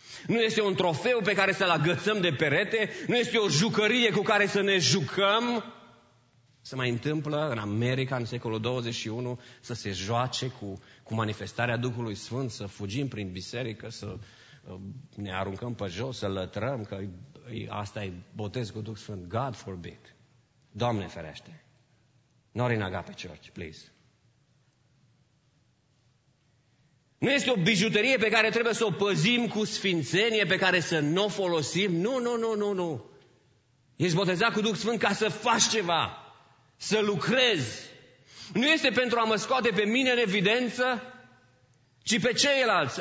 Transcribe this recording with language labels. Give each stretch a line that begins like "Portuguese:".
Romanian: Nu este un trofeu pe care să-l agățăm de perete, nu este o jucărie cu care să ne jucăm. Se mai întâmplă în America, în secolul 21, să se joace cu manifestarea Duhului Sfânt, să fugim prin biserică, să ne aruncăm pe jos, să lătrăm, că asta e botez cu Duh Sfânt.
English: God forbid.
Romanian: Doamne ferește.
English: Not in Agape Church, please.
Romanian: Nu este o bijuterie pe care trebuie să o păzim cu sfințenie, pe care să nu o folosim. Nu. Ești botezat cu Duh Sfânt ca să faci ceva. Să lucrezi. Nu este pentru a mă scoate pe mine în evidență, ci pe ceilalți.